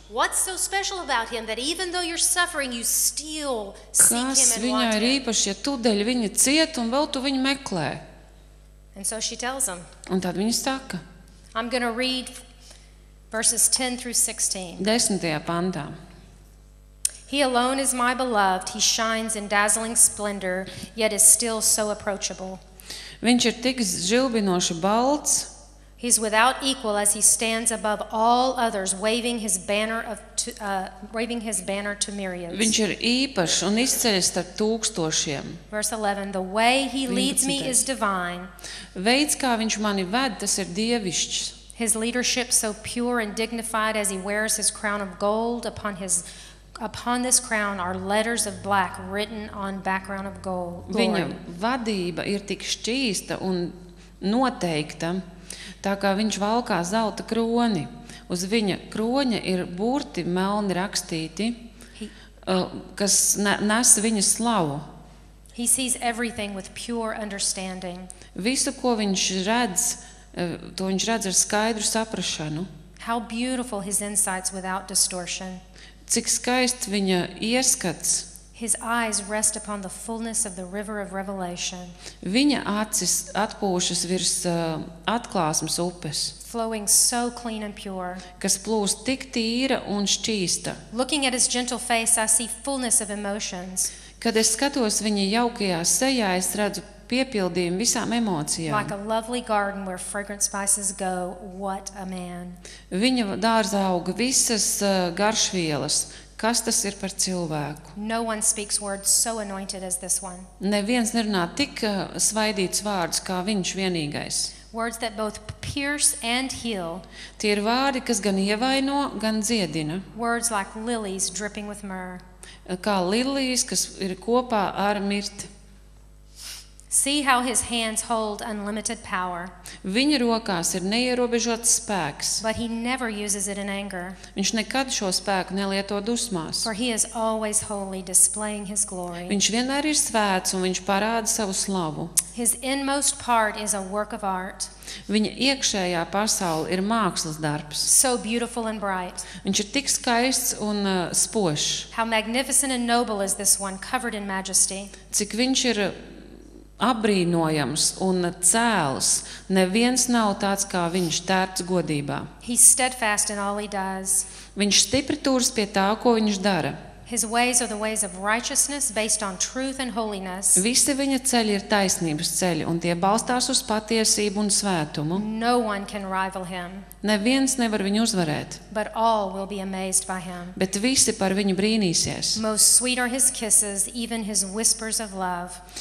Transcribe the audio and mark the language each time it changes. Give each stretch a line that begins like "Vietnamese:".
English: What's so special about him that even though you're suffering you still seek him and want him?
Latvian: Kas viņā ir īpašs, ja tu dēļ viņa ciet un vēl tu viņu meklē?
English: And so she tells him.
Latvian: Un tad viņa saka.
English: I'm going to read verses 10 through 16.
Latvian: 10. pantā.
English: He alone is my beloved, he shines in dazzling splendor, yet is still so approachable.
Latvian: Viņš ir tik žilbinoši balts.
English: He's without equal as he stands above all others, waving his banner of waving his banner to myriads.
Latvian: Viņš ir īpašs un izceļas starp tūkstošiem.
English: Verse 11, the way he leads me is divine.
Latvian: Veids, kā viņš mani ved, tas ir dievišķs.
English: His leadership so pure and dignified as he wears his crown of gold upon his upon this crown are letters of black written on background of gold.
Latvian: Viņa vadība ir tik šķīsta un noteikta, tā kā viņš valkā zelta kroni. Uz viņa kroņa ir burti melni rakstīti, kas nes viņa slavu.
English: He sees everything with pure understanding.
Latvian: Visu, ko viņš redz, to viņš redz ar skaidru saprašanu.
English: How beautiful his insights without distortion.
Latvian: Cik skaists viņa ieskats.
English: His eyes rest upon the fullness of the river of revelation.
Latvian: Viņa acis atpūšas virs atklāsmes upes.
English: Flowing so clean and pure.
Latvian: Kas plūst tik tīra un šķīsta.
English: Looking at his gentle face, I see fullness of emotions.
Latvian: Kad es skatos viņa jaukajā sejā, es redzu piepildījumu visām emocijām.
English: Like a lovely garden where fragrant spices go, what a man.
Latvian: Viņa dārzā aug visas garšvielas. Kas tas ir par cilvēku?
English: No one speaks words so anointed as this one.
Latvian: Neviens nerunā tik svaidīts vārds kā viņš vienīgais.
English: Words that both pierce and heal.
Latvian: Tie ir vārdi, kas gan ievaino, gan dziedina.
English: Words like lilies dripping with myrrh.
Latvian: Kā lilijas, kas ir kopā ar mirti.
English: See how his hands hold unlimited power.
Latvian: Viņa rokās ir neierobežots spēks.
English: But he never uses it in anger.
Latvian: Viņš nekad šo spēku nelieto dusmās.
English: For he is always holy, displaying his glory.
Latvian: Viņš vienmēr ir svēts un viņš parāda savu slavu.
English: His inmost part is a work of art.
Latvian: Viņa iekšējā pasaule ir mākslas darbs.
English: So beautiful and bright.
Latvian: Viņš ir tik skaists un spošs.
English: How magnificent and noble is this one, covered in majesty.
Latvian: Cik viņš ir apbrīnojams un cēls, neviens nav tāds kā viņš tērts godībā.
English: He's steadfast in all he does.
Latvian: Viņš stipri turas pie tā, ko viņš dara.
English: His ways are the ways of righteousness based on truth and holiness.
Latvian: Visi viņa ceļi ir taisnības ceļi, un tie balstās uz patiesību un svētumu.
English: No one can rival him.
Latvian: Neviens nevar viņu uzvarēt.
English: But all will be amazed by him.
Latvian: Bet visi par viņu brīnīsies.
English: Most sweet are his kisses, even his whispers of love.